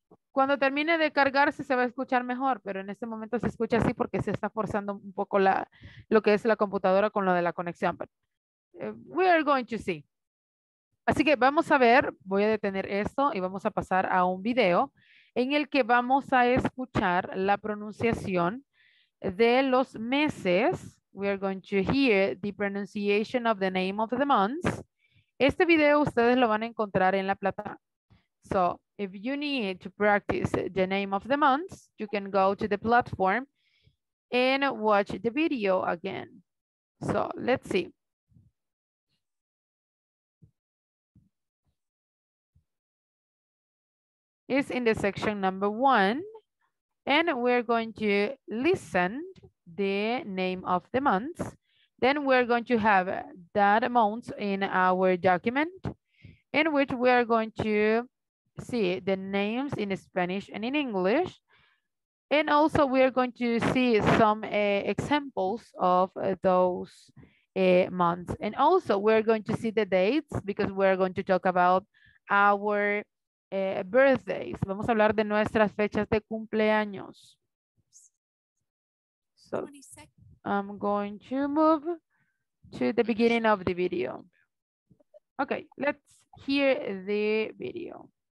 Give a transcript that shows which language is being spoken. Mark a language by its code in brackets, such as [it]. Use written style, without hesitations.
[es] Cuando termine de cargarse se va a escuchar mejor, pero en este momento se escucha así porque se está forzando un poco lo que es la computadora con lo de la conexión. [en] But, we are going to see. [es] Así que vamos a ver, voy a detener esto y vamos a pasar a un video en el que vamos a escuchar la pronunciación de los meses. [en] We are going to hear the pronunciation of the name of the months. [es] Este video ustedes lo van a encontrar en la plataforma. [en] So, if you need to practice the name of the months, you can go to the platform and watch the video again. So, let's see. Is in the section number one, and we're going to listen the name of the months. Then we're going to have that amount in our document in which we are going to see the names in Spanish and in English. And also we are going to see some examples of those months. And also we're going to see the dates because we're going to talk about our birthdays. [es] Vamos a hablar de nuestras fechas de cumpleaños. [en] So I'm going to move to the beginning of the video. Okay, let's hear the video.